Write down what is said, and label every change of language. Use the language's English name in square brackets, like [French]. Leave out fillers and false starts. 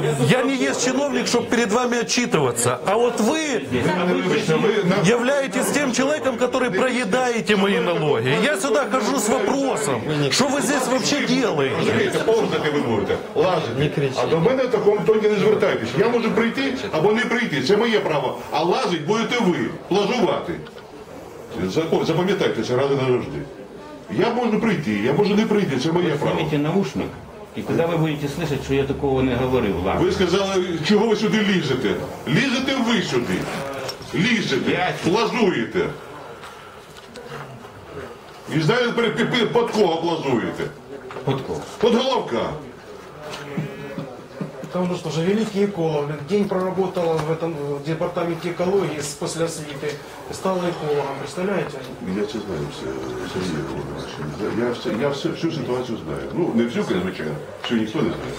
[Russian] Я не есть чиновник, чтобы перед вами отчитываться. А вот вы являетесь тем человеком, который проедаете мои налоги. Я сюда хожу с вопросом, что вы здесь вообще делаете? Ползать вы будете. Лазить. А до меня в таком тоне не звертайтесь. Я могу прийти. [Ukrainian] Або не прийти, це моє право. А лазить будете ви, плажувати. Запам'ятайте, це ради назавжди. Я можу прийти, я можу не прийти, це моє право. Ви знімете наушник, і коли ви будете слухати, що я такого не говорив вам. Ви сказали, чого ви сюди ліжете? Ліжете ви сюди. Ліжете, плажуєте. І знаєте, під кого плажуєте? Під кого? Під головка. [Russian] Там нужно же великий эколог. День проработал в этом в департаменте экологии после освіти. Стал экологом, представляете? Я все знаю, Сергей Владимирович. Я всю ситуацию знаю. Ну, не всю, конечно, все никто не знает.